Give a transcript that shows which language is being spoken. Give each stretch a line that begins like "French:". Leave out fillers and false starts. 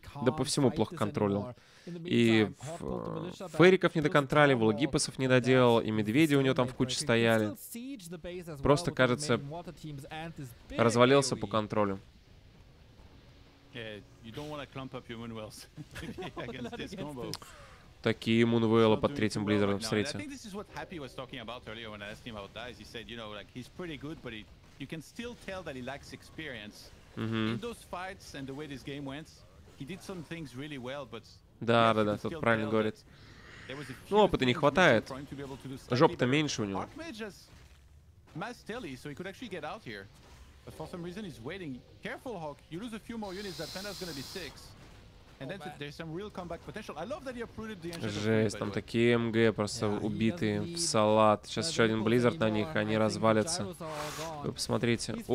Russian: Да по всему плохо контролил. И Фериков не доконтроливал, Гиппосов не доделал, и медведи у него там в куче стояли. Просто, кажется, развалился по контролю.
English: You don't want to clump up your Moonwells against this combo.
Russian: Такие Moonwells под третьим Blizzard'ом встретил.
English: I think this is what Happy was talking about earlier when I asked him about Dice. He said, you know, like he's pretty good, but you can still tell that he lacks experience. Mm-hmm. In those fights and the way this game went, he did some things really well, but
Russian: да, да, да, тут правильно говорит. Ну, опыта не хватает. Жопа-то меньше у него.
English: Archmage has mass tele, so he could actually get out here. But for some reason he's waiting. Careful, Hawk. You lose a few more units, that Panda's gonna be six. And then there's some real comeback potential. I love that he uprooted the engine.
Russian: Жесть, там такие МГ просто убитые в салат. Сейчас еще один Blizzard на них, они развалятся. Вы посмотрите.